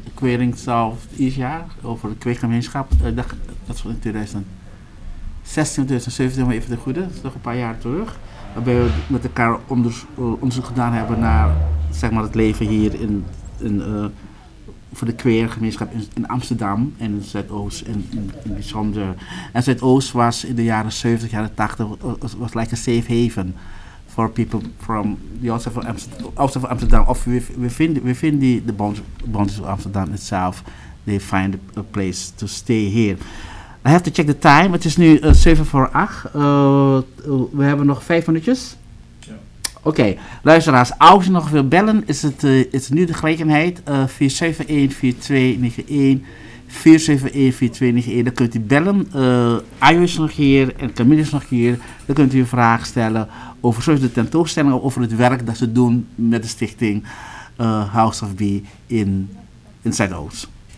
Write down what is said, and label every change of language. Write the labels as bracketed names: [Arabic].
[Dutch] Queering South East jaar over de queergemeenschap. Dat was in 2016, 2017, maar even de goede. Dat is nog een paar jaar terug. Waarbij we met elkaar onderzoek gedaan hebben naar zeg maar, het leven hier voor de queergemeenschap in Amsterdam en in Zuidoost in bijzonder. En Zuidoost was in de jaren 70, jaren 80, was [English] like a safe haven. For people from the outside of Amsterdam, of within the boundaries of Amsterdam itself, they find a place to stay here. I have to check the time. [Dutch] Het is nu 7:07. We hebben nog 5 minuutjes. Yeah. Oké, luisteraars, als je nog wil bellen, is nu de gelegenheid. 471-4291. Dan kunt u bellen. Ayo is nog hier en Camille is nog hier. Dan kunt u een vraag stellen over de tentoonstelling, over het werk dat ze doen met de stichting House of B in Zuidoost.